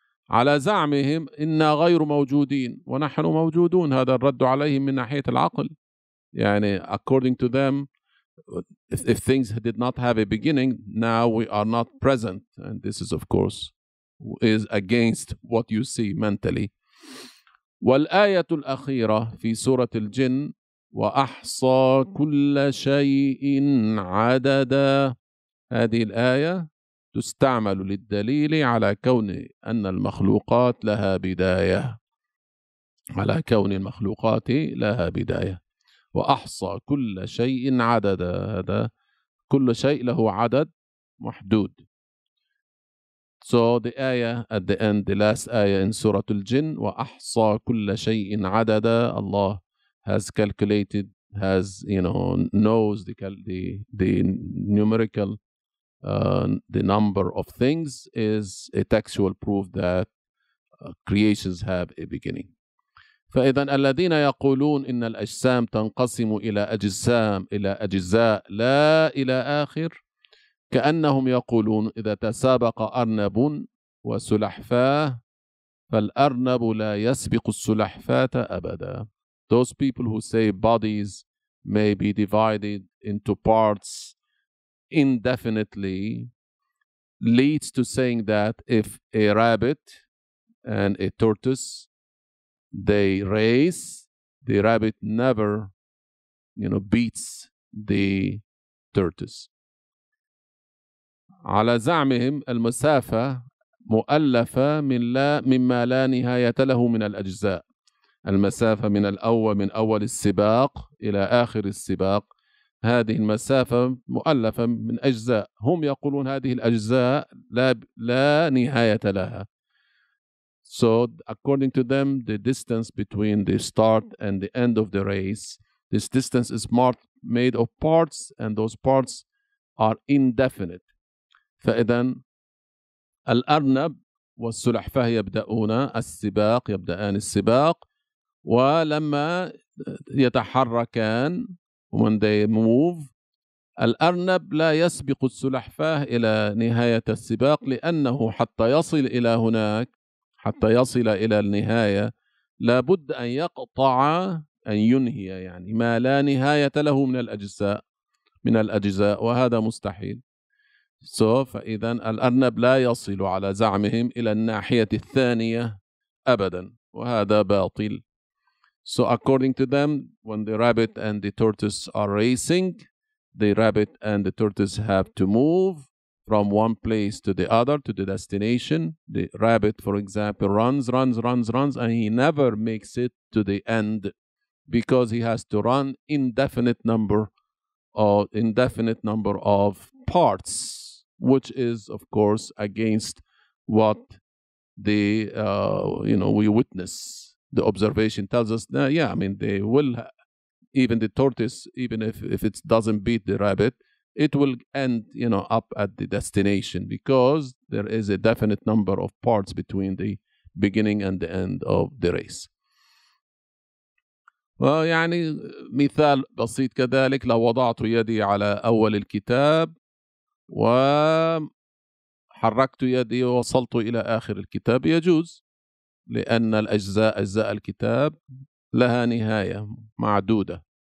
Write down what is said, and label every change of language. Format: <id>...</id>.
<ar>على زعمهم إن غير موجودين ونحن موجودون. هذا الرد عليهم من ناحية العقل.</ar> <en>يعني according to them if things did not have a beginning, now we are not present. And this is, of course, is against what you see mentally.</en> <ar>والآية الأخيرة في سورة الجن وأحصى كل شيء عددا. هذه الآية تستعمل للدليل على كون أن المخلوقات لها بداية. على كون المخلوقات لها بداية. وأحصى كل شيء عددا. هذا كل شيء له عدد محدود.</ar> <en>So the ayah at the end, the last ayah in Surah Al-Jin,</en> <ar>وَأَحْصَى كُلَّ شَيْءٍ عَدَدًا.</ar> <en>Allah has calculated, has, knows the numerical, the number of things is a textual proof that creations have a beginning.</en> <ar>فإذن الذين يقولون إن الأجسام تنقسم إلى أجسام إلى أجزاء لا إلى آخر كأنهم يقولون إذا تسابق أرنب وسلحفاة فالأرنب لا يسبق السلحفاة أبدا.</ar> <en>Those people who say bodies may be divided into parts indefinitely leads to saying that if a rabbit and a tortoise, they race, the rabbit never, you know, beats the tortoise.</en> <ar>على زعمهم المسافة مؤلفة من لا مما لا نهاية له من الأجزاء. المسافة من الأول من أول السباق إلى آخر السباق. هذه المسافة مؤلفة من أجزاء. هم يقولون هذه الأجزاء لا نهاية لها.</ar> <en>So according to them, the distance between the start and the end of the race, this distance is made of parts, and those parts are indefinite.</en> <ar>فإذا الأرنب والسلحفاة يبدأون السباق, يبدأان السباق, ولما يتحركان,</ar> <en>when they move,</en> <ar>الأرنب لا يسبق السلحفاة إلى نهاية السباق, لأنه حتى يصل إلى هناك, حتى يصل إلى النهاية, لابد أن يقطع, أن ينهي يعني ما لا نهاية له من الأجزاء, من الأجزاء, وهذا مستحيل. So, فإذا الأرنب لا يصل على زعمهم إلى الناحية الثانية أبدا, وهذا باطل.</ar> <en>So according to them, when the rabbit and the tortoise are racing, the rabbit and the tortoise have to move from one place to the other, to the destination. The rabbit, for example, runs, and he never makes it to the end because he has to run indefinite number of parts, which is, of course, against what the we witness. The observation tells us that, yeah, I mean, they will, even the tortoise, even if it doesn't beat the rabbit, it will end, you know, up at the destination, because there is a definite number of parts between the beginning and the end of the race.</en> <ar>Well, يعني مثال بسيط كذلك, لو وضعت يدي على أول الكتاب وحركت يدي ووصلت إلى آخر الكتاب, يجوز. لأن الأجزاء, أجزاء الكتاب لها نهاية معدودة.</ar>